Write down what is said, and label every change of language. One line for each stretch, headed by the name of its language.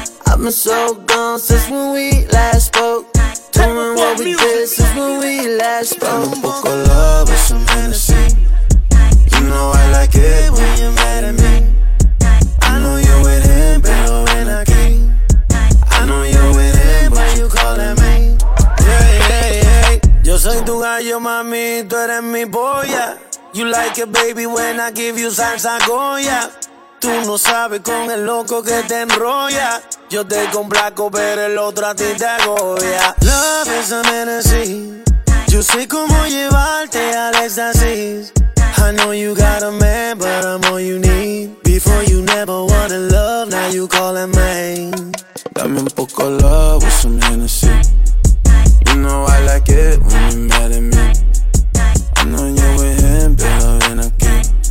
English: I've been so gone since when we last spoke. Doing what we did since when we last spoke. I'm a book of love with some Hennessy. You know I like it when you're mad at me. I know you're with him, better when I came. I know you're with him, but you calling me. Yeah, yeah, yeah.
Spanish: Yo soy tu gallo, mami, tú eres mi polla.
English: You like it, baby, when I give you salsa Goya.
Spanish: Tú no sabes con el loco que te enrolla. Yo te complaco, pero el otro a ti te agobia.
English: Love is a Hennessy.
Spanish: Yo sé cómo llevarte al éxtasis.
English: I know you got a man, but I'm all you need. Before you never wanted love, now you calling me.
Spanish: Dame un poco
English: love with some Hennessy. You know I like it when you're mad at me. I know you're with him, better than a king.